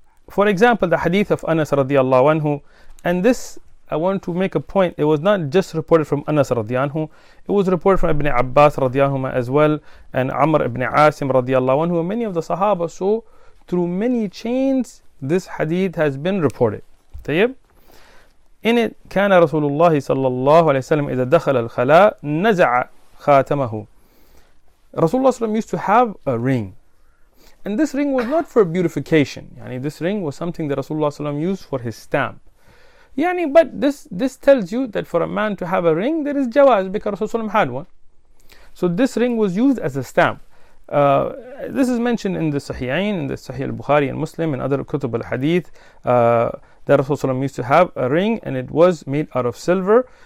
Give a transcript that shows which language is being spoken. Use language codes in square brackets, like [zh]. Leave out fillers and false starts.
[en] For example, the hadith of Anas radiallahu anhu, and this I want to make a point. It was not just reported from Anas radiyallahu anhu. It was reported from Ibn Abbas radiyallahu anhu as well, and Amr ibn Asim radiyallahu anhu, and many of the Sahaba. So through many chains, this hadith has been reported. [ar] طيب. [en] In it, [ar] كان رسول الله صلى الله عليه وسلم إذا دخل الخلاء نزع خاتمه. [en] Rasulullah ﷺ used to have a ring. And this ring was not for beautification. Yani this ring was something that Rasulullah ﷺ used for his stamp. Yani, but this tells you that for a man to have a ring, there is jawaz because Rasulullah ﷺ had one. So this ring was used as a stamp. This is mentioned in the Sahihain, in the Sahih al-Bukhari and Muslim and other Kutub al-Hadith, that Rasulullah ﷺ used to have a ring and it was made out of silver.